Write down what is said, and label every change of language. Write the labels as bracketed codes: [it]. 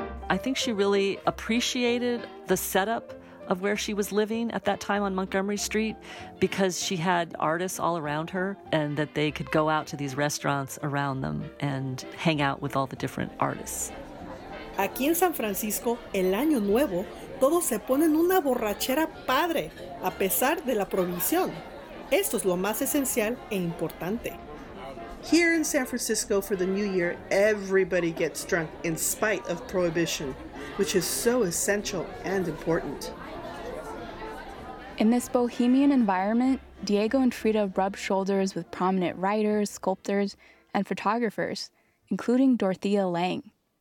[en] I think she really appreciated the setup of where she was living at that time on Montgomery Street because she had artists all around her and that they could go out to these restaurants around them and hang out with all the different artists. [es] Aquí en San Francisco, el año nuevo, todos se ponen una borrachera padre, a pesar de la prohibición. Esto es lo más esencial e importante. [en] Here in San Francisco for the New Year, everybody gets drunk in spite of prohibition, which is so essential and important. In this bohemian environment, Diego and Frida rub shoulders with prominent writers, sculptors, and photographers, including Dorothea Lange.